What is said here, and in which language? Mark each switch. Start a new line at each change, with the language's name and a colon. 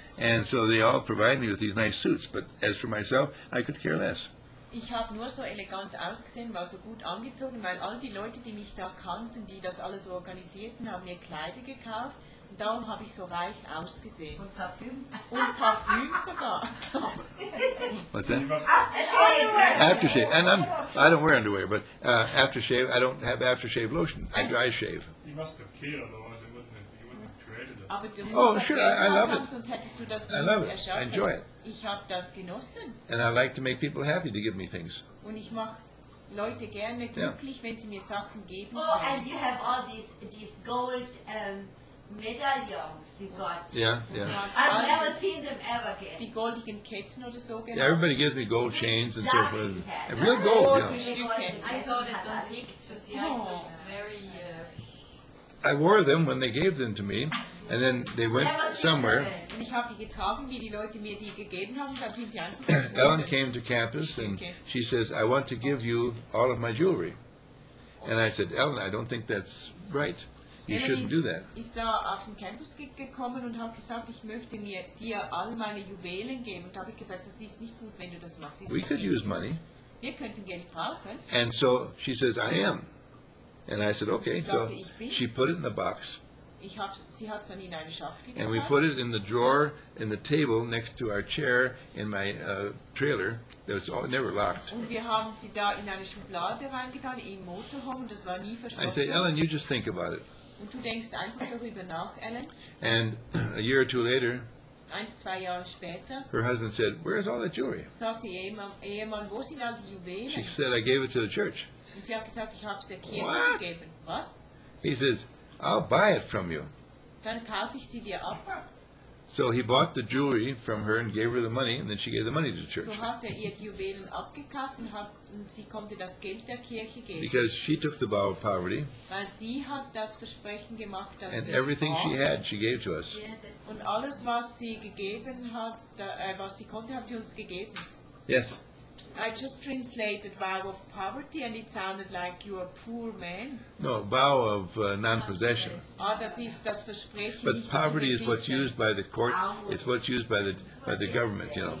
English: And so they all provide me with these nice suits. But as for myself, I could care less.
German: Ich habe nur so elegant ausgesehen, war so gut angezogen, weil all die Leute, die mich da kannten, die das alles organisierten, haben mir Kleider gekauft. Und darum habe ich so reich ausgesehen. Und Parfüm. Und Parfüm sogar.
English: What's that? Aftershave. And I don't wear underwear, but aftershave, I don't have aftershave lotion. I dry shave. You must have cared, otherwise you wouldn't have created it. Oh, sure, I love it. I love it. I enjoy it.
German: Ich habe das genossen.
English: And I like to make people happy to give me things.
German: Und ich mache Leute gerne glücklich, wenn sie mir Sachen geben.
English: Oh, and you have all these gold medallions you got. Yeah, yeah. I've never seen them ever again.
German: Die goldigen Ketten oder so.
English: Yeah, everybody gives me gold chains and so forth. Real gold, yeah. I saw that on pictures, yeah. It's very... I wore them when they gave them to me, and then they went somewhere.
German: Ich habe die getragen, wie die Leute mir die gegeben haben, da sind die einfach...
English: Ellen came to campus, and she says, I want to give you all of my jewelry. And I said, Ellen, I don't think that's right. You shouldn't do that.
German: Ist da auf den Campus gekommen und hat gesagt, ich möchte mir dir all meine Juwelen geben. Und da habe ich gesagt, das ist nicht gut, wenn du das machst.
English: We could use money.
German: Wir könnten Geld brauchen.
English: And so she says, I am. And I said, okay. So she put it in the box. Sie hat's dann in eine Schachtel gepackt. And we put it in the drawer in the table next to our chair in my trailer. That was all, never locked.
German: Und wir haben sie da in eine Schublade reingetan im Motorhome. Das war nie verschlossen.
English: I say, Ellen, you just think about it.
German: Und du denkst einfach darüber nach, Ellen.
English: And a year or two later,
German: zwei Jahre später,
English: her husband said, where is all that jewelry?
German: Sagte Ehemann, wo sind all die Juwelen?
English: She said, I gave it to the church.
German: Und sie hat gesagt, ich hab's der Kirche gegeben. Was?
English: He says, I'll buy it from you.
German: Dann kaufe ich sie dir ab.
English: So he bought the jewelry from her and gave her the money, and then she gave the money to the church.
German: So hat ihr die Juwelen abgekauft und sie konnte das Geld der Kirche geben.
English: Because she took the vow of poverty.
German: Weil sie hat das Versprechen gemacht, dass
English: and everything she had, she gave to us.
German: Yeah, und alles, was sie gegeben hat, was sie konnte, hat sie uns gegeben.
English: Yes. I just translated vow of poverty and it sounded like you are a poor man. No, vow of non-possession.
German: Ah, das ist das Versprechen.
English: But poverty is what's used by the court, it's what's used by the government, you know.